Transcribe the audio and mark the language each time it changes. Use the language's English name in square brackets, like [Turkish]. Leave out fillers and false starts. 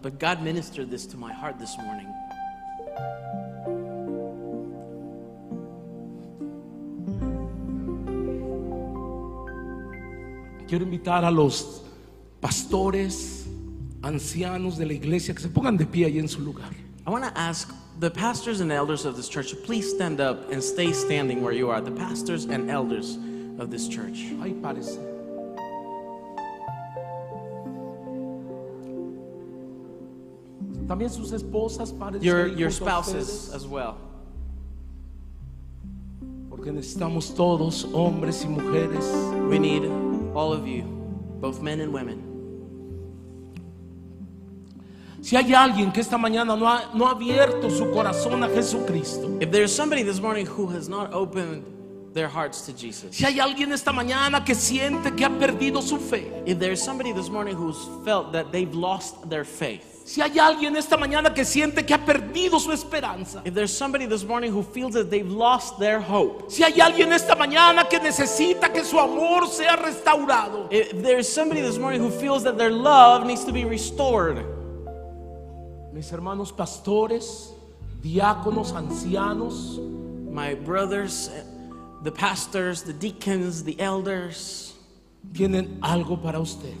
[English] But God ministered this to my heart this morning. [Spanish] Quiero invitar a los pastores, ancianos de la iglesia que se pongan de pie ahí en su lugar. [English] I want to ask the pastors and elders of this church, please stand up and stay standing where you are. The pastors and elders of this church. [Spanish] Ay, parece. También sus esposas, parece. [English] Your spouses as well. [Spanish] Porque necesitamos todos, hombres y mujeres. [English] We need all of you, both men and women. [Spanish] Si hay alguien que esta mañana no ha abierto su corazón a Jesucristo. [English] If there is somebody this morning who has not opened their hearts to Jesus. [Spanish] Si hay alguien esta mañana que siente que ha perdido su fe. [English] If there is somebody this morning who's felt that they've lost their faith. [Spanish] Si hay alguien esta mañana que siente que ha perdido su esperanza. [English] If there's somebody this morning who feels that they've lost their hope. [Spanish] Si hay alguien esta mañana que necesita que su amor sea restaurado. [English] If there's somebody this morning who feels that their love needs to be restored. [Spanish] Mis hermanos pastores, diáconos, ancianos, [English] my brothers, the pastors, the deacons, the elders, [Spanish] tienen algo para usted.